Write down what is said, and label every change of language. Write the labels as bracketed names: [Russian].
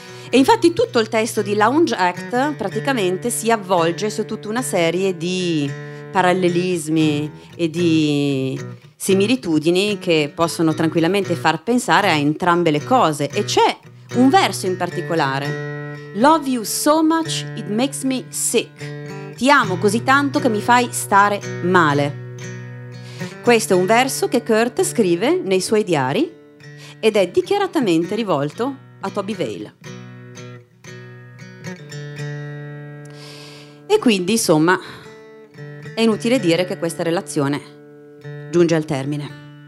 [Italian] E infatti tutto il testo di Lounge Act praticamente si avvolge su tutta una serie di parallelismi e di similitudini che possono tranquillamente far pensare a entrambe le cose. E c'è un verso in particolare. [English] Love you so much it makes me sick. [Italian] Ti amo così tanto che mi fai stare male. Questo è un verso che Kurt scrive nei suoi diari ed è dichiaratamente rivolto a Toby Vail. E quindi, insomma, è inutile dire che questa relazione giunge al termine.